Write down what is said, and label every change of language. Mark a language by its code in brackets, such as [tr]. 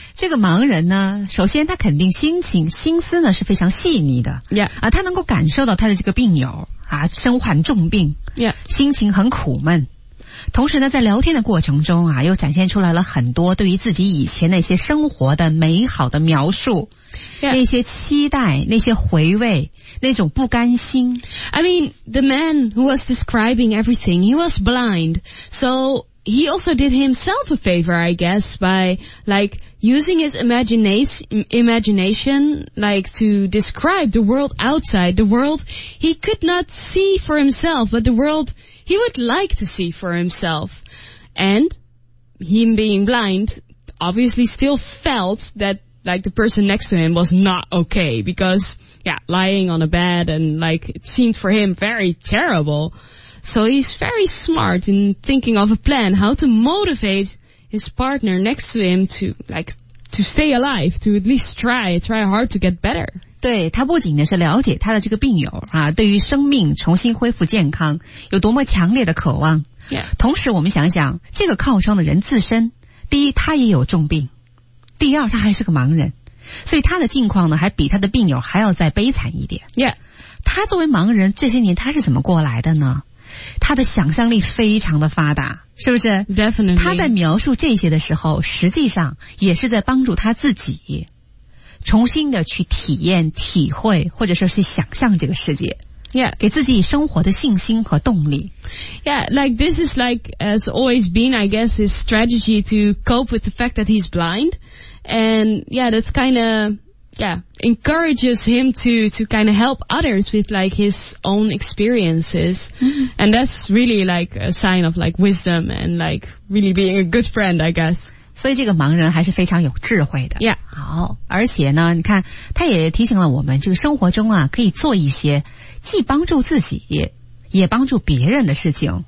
[zh] 这个盲人呢，首先他肯定心思呢是非常细腻的。 [en] Yeah. [zh] 啊，他能够感受到他的这个病友啊，身患重病。 [en] Yeah. [zh] 心情很苦闷。同时呢，在聊天的过程中啊，又展现出来了很多对于自己以前那些生活的美好的描述、 [en] yeah. [zh] 那些期待，那些回味，那种不甘心。 [en] I mean, the man who was describing everything, he was blind. So he also did himself a favor, I guess, by like using his imagination like to describe the world outside, the world he could not see for himself, but the worldHe would like to see for himself, and him being blind, obviously still felt that like the person next to him was not okay because, yeah, lying on a bed and like it seemed for him very terrible. So he's very smart in thinking of a plan how to motivate his partner next to him to like to stay alive, to at least try hard to get better. [zh] 对，他不仅是了解他的这个病友啊，对于生命重新恢复健康有多么强烈的渴望、 [en] yeah. [zh] 同时我们想想这个靠窗的人自身，第一他也有重病，第二他还是个盲人，所以他的境况呢还比他的病友还要再悲惨一点、 [en] yeah. [zh] 他作为盲人这些年他是怎么过来的呢？他的想象力非常的发达，是不是？ [en] Definitely. [zh] 他在描述这些的时候实际上也是在帮助他自己重新的去体验、体会，或者说是想象这个世界。 [en] Yeah. [zh] 给自己生活的信心和动力。 [en] Yeah, like this is like, as always been, I guess, his strategy to cope with the fact that he's blind. And yeah, that's kind of, yeah, encourages him to kind of help others with like his own experiences. And that's really like a sign of like wisdom and like really being a good friend, I guess. [zh] 所以这个盲人还是非常有智慧的。 [en] Yeah. [zh] 好，而且呢，你看，他也提醒了我们，这个生活中啊，可以做一些既帮助自己，也帮助别人的事情。